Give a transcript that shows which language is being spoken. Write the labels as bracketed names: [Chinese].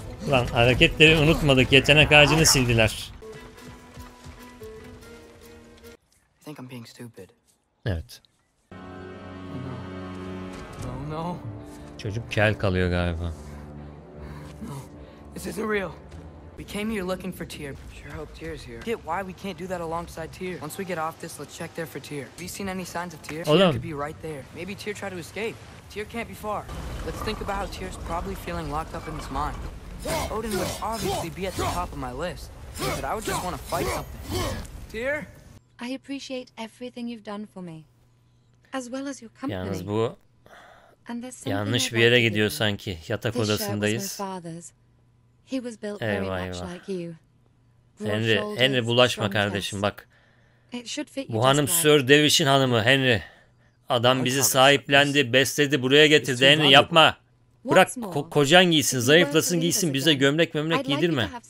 [Turkish] Lan hareketleri unutmadık. Yetenek ağacını sildiler. Evet. Çocuk kel kalıyor galiba. Bu gerçek. [English] We came here looking for Tyr. Sure hope Tyr's here. Get why we can't do that alongside Tyr. Once we get off this, let's check there for Tyr. Have you seen any signs of Tyr? Tyr could be right there. Maybe Tyr tried to escape. Tyr can't be far. Let's think about how Tyr's probably feeling locked up in his mind. Odin would obviously be at the top of my list. But I would just want to fight something. Tyr? I appreciate everything you've done for me. As well as your company. [Turkish] Yalnız bu... Yanlış bir yere gidiyor sanki. Yatak odasındayız. [English] He was built very much like you. [Turkish] Henry, Henry bulaşma kardeşim bak. Bu hanım Sir Davis'in hanımı Henry. Adam bizi sahiplendi, besledi, buraya getirdi. Henry yapma. Bırak kocan giysin, zayıflasın giysin, bize gömlek memlek giydirme.